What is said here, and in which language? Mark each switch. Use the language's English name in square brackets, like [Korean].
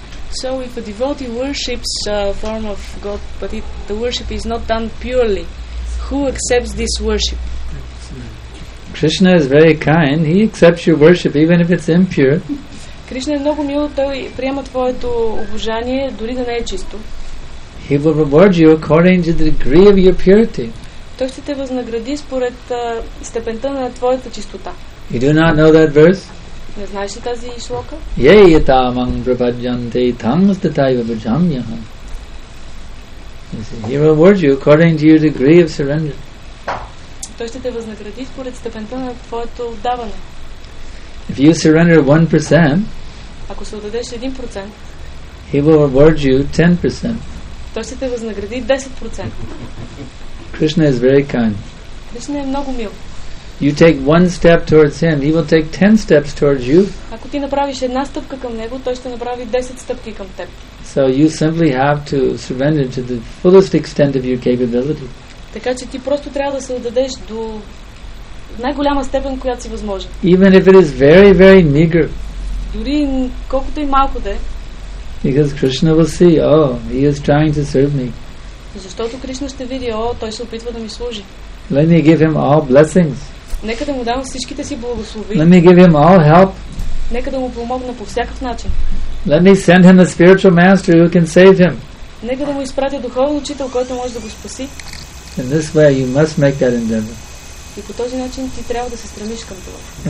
[English] So if a devotee worships a form of God, but the worship is not done purely, who accepts this worship? Krishna is very kind. He accepts your worship even if it's impure. [Bulgarian] Krishna е много мил, той приема твоето обожание дори да не е чисто. [English] He will reward you according to the degree of your purity. [Bulgarian] Той ще те възнагради според степента на твоята чистота. [English] You do not know that verse? [Bulgarian] Не знаеш ли тази шлока? [Sanskrit] Ye yatamang prabhajyante tamastatayva bhajamyaha. [English] He rewards you according to your degree of surrender. [Bulgarian] Той ще те възнагради според степента на твоето отдаване. [English] If you surrender 1%, [Bulgarian] ако се отдадеш 1%, [English] he will reward you 10%. [Bulgarian] Той ще те възнагради 10%. [English] Krishna is very kind. [Bulgarian] Krishna е много мил. [English] You take one step towards him, he will take 10 steps towards you. [Bulgarian] Ако ти направиш една стъпка към него, той ще направи 10 стъпки към теб. [English] So you simply have to surrender to the fullest extent of your capability. [Bulgarian] Така че ти просто трябва да се отдадеш до най-голяма степен, която си възможен. [English] Even if it is very, very meager. [Bulgarian] Дори колкото и малко да е. [English] Because Krishna will see, oh, he is trying to serve me. [Bulgarian] Защото Кришна ще види, о, той се опитва да ми служи. [English] Let me give him all blessings. [Bulgarian] Нека да му дам всичките си благослови. [English] Let me give him all help. [Bulgarian] Нека да му помогна по всякакъв начин. [English] Let me send him a spiritual master who can save him. [Bulgarian] Нека да му изпратя духовен учител, който може да го спаси. [English] In this way you must make that endeavor. [Bulgarian] И по този начин ти трябва да се стремиш към това.